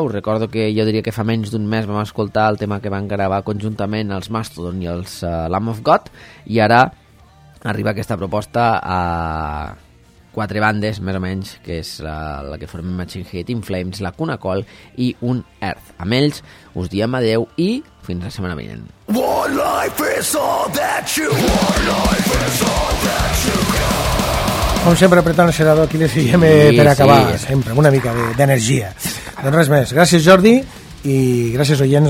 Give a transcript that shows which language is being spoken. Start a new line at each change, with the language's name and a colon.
Catalan: Us recordo que jo diria que fa menys d'un mes vam escoltar el tema que van gravar conjuntament els Mastodon i els Lamb of God, i ara arriba aquesta proposta a quatre bandes, més o menys, que és la que formen Machine Head, In Flames, la Cuna Coil i Unearth. Amb ells us diem adeu i fins la setmana vinent.
English: What life is all that you want? Life is all that you got.
Catalan: Com sempre, apretant el xerador aquí, l'SIM per acabar, sí, sempre, amb una mica d'energia. Doncs res més. Gràcies, Jordi, i gràcies, oients.